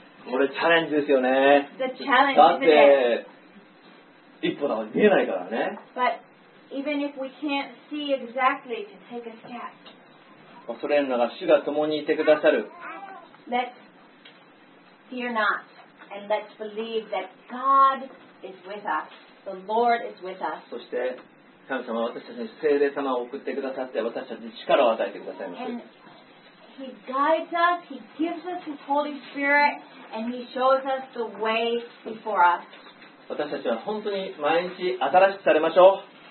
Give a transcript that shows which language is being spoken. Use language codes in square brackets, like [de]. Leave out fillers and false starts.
[ja] これチャレンジですよね。 [en] The challenge, [ja] だって一歩だと見えないからね。 [en] But even if we can't see exactly to take a step. [ja] 恐れるなら主が共にいてくださる。 [en] Let's fear not and let's believe that God is with us. The Lord is with us. [ja] そして神様は私たちに聖霊様を送ってくださって私たちに力を与えてくださいます。 [en] And He guides us, He gives us His Holy Spirit, and He shows us the way before us. [ja] 私たちは本当に毎日新しくされましょう。